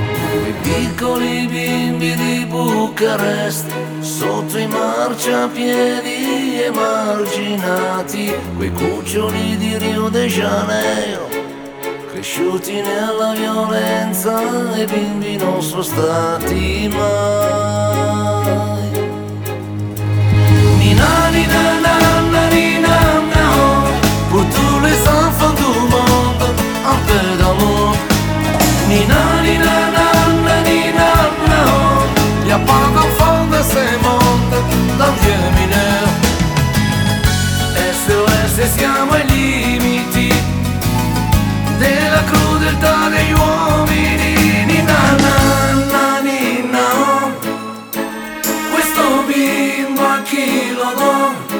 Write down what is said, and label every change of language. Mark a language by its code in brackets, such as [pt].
[it] Quei piccoli bimbi di Bucarest, sotto i marciapiedi emarginati, quei cuccioli di Rio de Janeiro, cresciuti nella violenza, e bimbi non sono stati mai. [fr] Nina, nina, nana, nina, nana, pour tous les enfants du monde, un peu d'amour. Nina, nina, nana, nina, nana, y a pas d'enfant de ce monde, dans vieux mineur. [it] SOS, siamo ai limiti della crudeltà degli uomini. Nina, nana, nina, questo bimbo a chi lo do?